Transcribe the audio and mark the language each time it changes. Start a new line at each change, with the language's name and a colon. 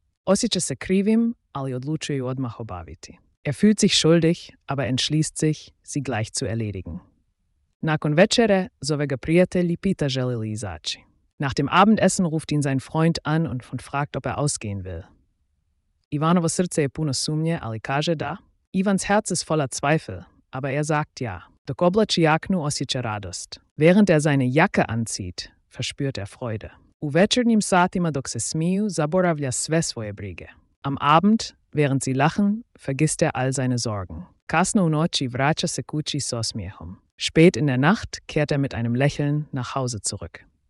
Croatian: Osjeća se krivim, ali odlučuje ju odmah obaviti.
German: Er fühlt sich schuldig, aber entschließt sich, sie gleich zu erledigen.
Croatian: Nakon večere zove ga prijatelj i pita želi li izaći.
German: Nach dem Abendessen ruft ihn sein Freund an und fragt, ob er ausgehen will.
Croatian: Ivanovo srce je puno sumnje, ali kaže da.
German: Ivans Herz ist voller Zweifel, aber er sagt ja.
Croatian: Dok oblači jaknu, osjeća radost.
German: Während er seine Jacke anzieht, verspürt er Freude.
Croatian: U večernjim satima dok se smiju, zaboravlja sve svoje brige.
German: Am Abend, während sie lachen, vergisst er all seine Sorgen.
Croatian: Kasno u noći vraća se kući s osmijehom.
German: Spät in der Nacht kehrt er mit einem Lächeln nach Hause zurück.